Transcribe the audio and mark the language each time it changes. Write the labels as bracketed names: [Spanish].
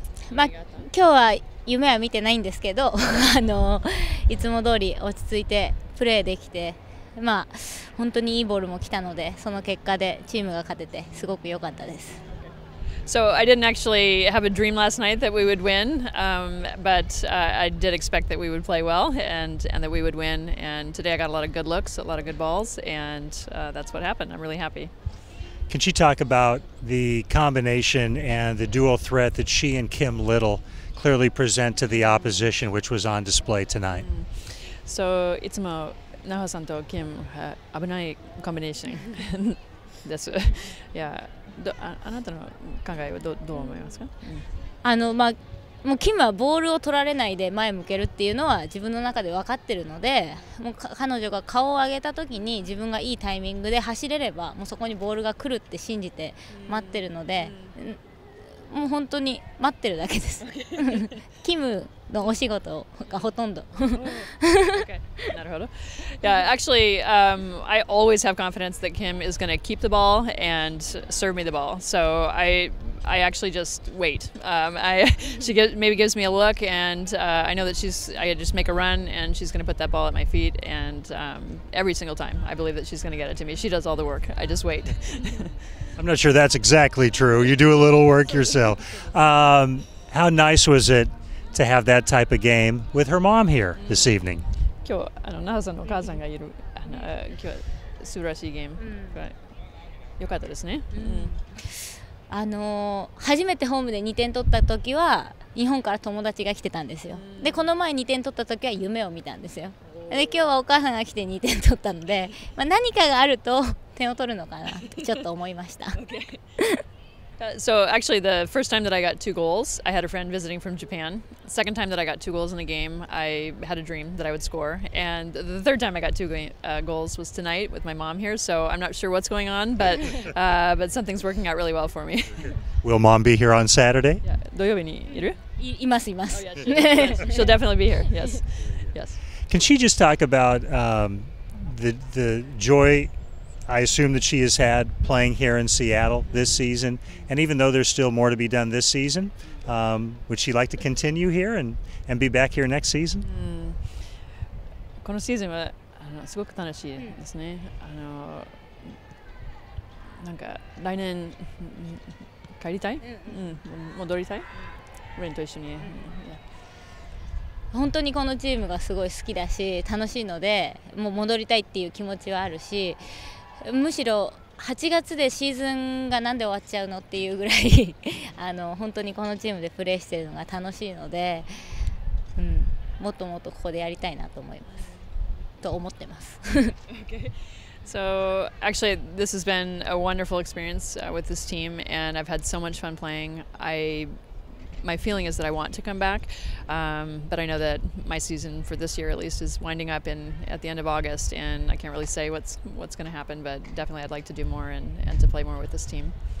[Japanese] まあ、今日は夢は見てないんですけど、あのいつも通り落ち着いてプレーできて、まあ、本当にいいボールも来たので、その結果でチームが勝ててすごく良かったです。 [English] So I didn't actually have a dream last night that we would win, but I did expect that we would play well and that we would win. And today I got a lot of good looks, a lot of good balls, and that's what happened. I'm really happy. Can she talk about the combination and the dual threat that she and Kim Little clearly present to the opposition, which was on display tonight? So it's a Naho-san to Kim, abunai combination. That's yeah. [Japanese] あなたの考えは どう思いますか？あの、まあ、もうキムはボールを取られないで前向けるっていうのは自分の中で分かってるので、もう彼女が顔を上げた時に自分がいいタイミングで走れればもうそこにボールが来るって信じて待ってるので、もう本当に待ってるだけです。キムのお仕事がほとんど。なるほど。 [English] Yeah, actually, I always have confidence that Kim is going to keep the ball and serve me the ball. So I actually just wait. She maybe gives me a look, and I know that she's. I just make a run, and she's going to put that ball at my feet. And every single time, I believe that she's going to get it to me. She does all the work. I just wait. I'm not sure that's exactly true. You do a little work yourself. How nice was it to have that type of game with her mom here this evening? [Japanese] 今日、あの、那覇さんのお母さんがいる、あの、今日は素晴らしいゲーム、よかったですね。あの、初めてホームで2点取った時は日本から友達が来てたんですよ。で、この前2点取った時は夢を見たんですよ。で、今日はお母さんが来て2点取ったので、まあ、何かがあると点を取るのかなってちょっと思いました。 [English] So actually the first time that I got two goals, I had a friend visiting from Japan. Second time that I got two goals in a game, I had a dream that I would score. And the third time I got two goals was tonight with my mom here. So I'm not sure what's going on, but something's working out really well for me. Will mom be here on Saturday? [Japanese] Yeah. 土曜日にいる? います、います。 [English] Oh, yeah, she'll definitely be here, yes. Yes. Can she just talk about the joy I assume that she has had playing here in Seattle this season, and even though there's still more to be done this season, would she like to continue here and be back here next season? [Japanese] このシーズンはあのすごく楽しいですね。あのなんか来年帰りたい、戻りたい、レンと一緒に。本当にこのチームがすごい好きだし楽しいので、もう戻りたいっていう気持ちはあるし。むしろ8月でシーズンがなんで終わっちゃうのっていうぐらい、あの本当にこのチームでプレーしているのが楽しいので、もっともっとここでやりたいなと思います。と思ってます。 [English] Okay. So actually, this has been a wonderful experience with this team, and I've had so much fun playing. My feeling is that I want to come back, but I know that my season for this year at least is winding up in at the end of August, and I can't really say what's going to happen, but definitely I'd like to do more and to play more with this team.